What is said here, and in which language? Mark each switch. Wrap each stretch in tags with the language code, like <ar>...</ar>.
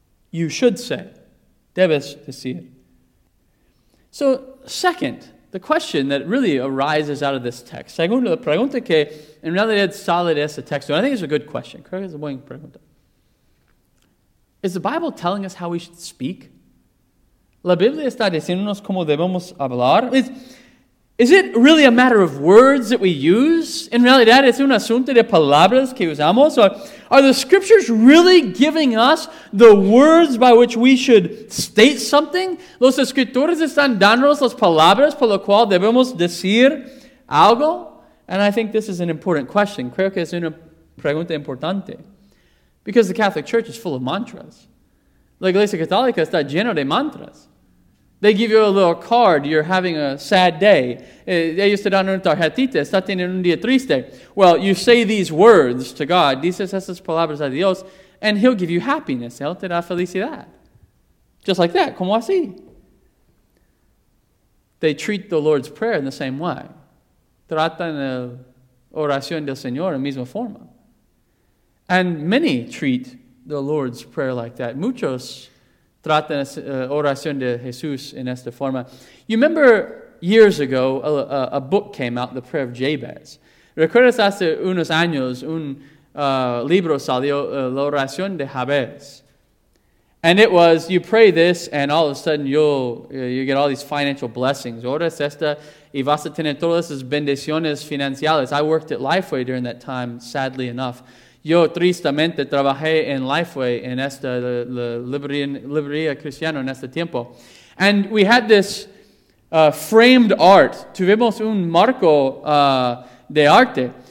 <en>You should say,</en> <es>debes decir.</es> <en>So, second, the question that really arises out of this text,</en> <es>segundo, la pregunta que en realidad sale de este texto,</es> <en>and I think it's a good question,</en> <es>creo que es una buena pregunta.</es> <en>Is the Bible telling us how we should speak?</en> <es>La Biblia está diciéndonos cómo debemos hablar.</es> <en>Is it really a matter of words that we use?</en> <es>En realidad, es un asunto de palabras que usamos.</es> <en>Are the scriptures really giving us the words by which we should state something?</en> <es>Los escritores están dándonos las palabras por lo cual debemos decir algo?</es> <en>And I think this is an important question.</en> <es>Creo que es una pregunta importante.</es> <en>Because the Catholic Church is full of mantras.</en> <es>La Iglesia Católica está llena de mantras.</es> <en>They give you a little card, you're having a sad day.</en> <es>Ellos te dan una tarjetita, está teniendo un día triste.</es> <en>Well, you say these words to God,</en> <es>dices esas palabras a Dios,</es> <en>and he'll give you happiness,</en> <es>él te da felicidad.</es> <en>Just like that,</en> <es>como así.</es> <en>They treat the Lord's Prayer in the same way.</en> <es>Tratan la oración del Señor en la misma forma.</es> <en>And many treat the Lord's Prayer like that.</en> <es>Muchos tratan la oración de Jesús en esta forma.</es> <en>You remember years ago, a book came out, The Prayer of Jabez.</en> <es>¿Recuerdas hace unos años, un libro salió, La Oración de Jabez?</es> <en>And it was, you pray this, and all of a sudden you get all these financial blessings.</en> <es>Oras esta, y vas a tener todas esas bendiciones financieras.</es> <en>I worked at Lifeway during that time, sadly enough.</en> <es>Yo, tristemente, trabajé en Lifeway, en esta librería cristiana, en este tiempo.</es> <en>And we had this framed art.</en> <es>Tuvimos un marco de arte.</es>